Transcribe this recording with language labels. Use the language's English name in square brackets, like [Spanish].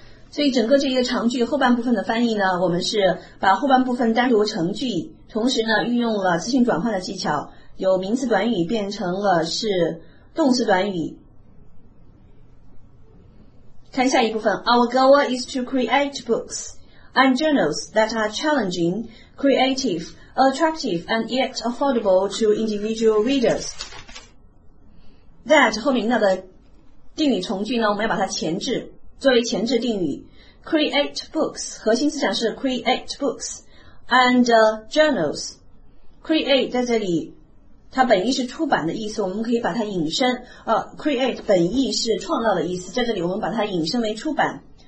[Chinese] 所以整个这一个长句后半部分的翻译呢，我们是把后半部分单独成句，同时呢运用了词性转换的技巧，由名词短语变成了是动词短语。看下一部分， [English] Our goal is to create books and journals that are challenging, creative, attractive and yet affordable to individual readers. [Chinese] That 后面那的定语从句呢，我们要把它前置，作为前置定语。 [English] Create books [Chinese] 核心思想是 [English] create booksand journals. [Chinese] Create 在这里它本意是出版的意思，我们可以把它引申create 本意是创造的意思，在这里我们把它引申为出版。